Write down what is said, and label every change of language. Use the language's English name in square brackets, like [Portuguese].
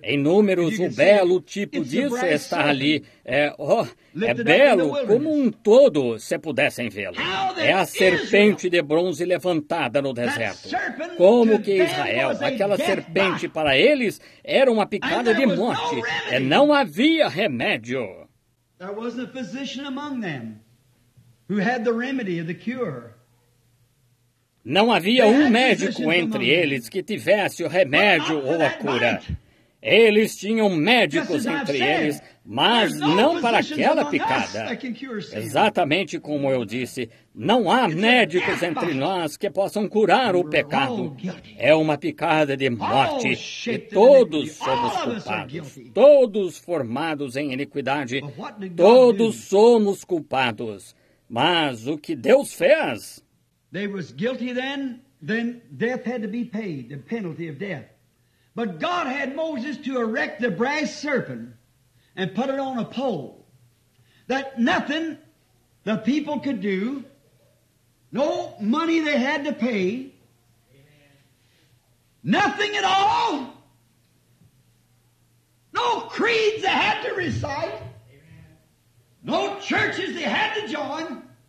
[Portuguese] Em Números, o belo tipo disso está ali. É belo como um todo, se pudessem vê-lo. É a serpente de bronze levantada no deserto. Como que Israel, aquela serpente para eles, era uma picada de morte. E não havia remédio. [English] There was a physician among them who had the remedy of the cure. [Portuguese] Não havia um médico entre eles que tivesse o remédio ou a cura. Eles tinham médicos entre eles, mas não para aquela picada. Exatamente como eu disse, não há médicos entre nós que possam curar o pecado. É uma picada de morte e todos somos culpados. Todos formados em iniquidade, todos somos culpados. Mas o que Deus fez... [English] They was guilty then death had to be paid, the penalty of death. But God had Moses to erect the brass serpent and put it on a pole that nothing the people could do, no money they had to pay, nothing at all, no creeds they had to recite, no churches they had to join.